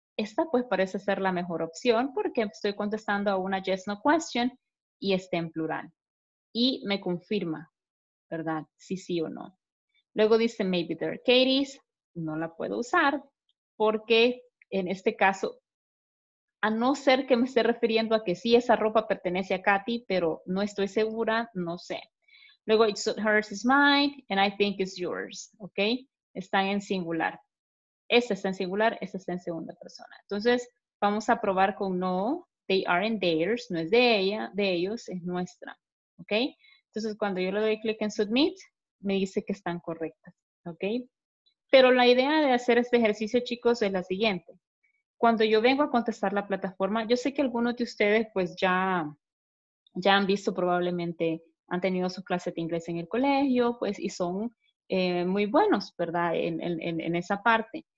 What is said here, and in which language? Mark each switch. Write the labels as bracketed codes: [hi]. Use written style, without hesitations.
[es] Esta pues parece ser la mejor opción porque estoy contestando a una [en] yes, no question [es] y está en plural. Y me confirma, ¿verdad? Si sí o no. Luego dice, [en] maybe they're Katie's. [es] No la puedo usar porque en este caso, a no ser que me esté refiriendo a que sí, esa ropa pertenece a Katy, pero no estoy segura, no sé. Luego, [en] it's hers is mine and I think it's yours. [es] ¿Ok? Están en singular. Esta está en singular, esta está en segunda persona. Entonces, vamos a probar con no. [en] They aren't theirs. [es] No es de ella, de ellos, es nuestra. ¿Ok? Entonces, cuando yo le doy clic en submit, me dice que están correctas. ¿Ok? Pero la idea de hacer este ejercicio, chicos, es la siguiente. Cuando yo vengo a contestar la plataforma, yo sé que algunos de ustedes, pues, ya han visto probablemente, han tenido su clase de inglés en el colegio, pues, y son muy buenos, ¿verdad?, en esa parte.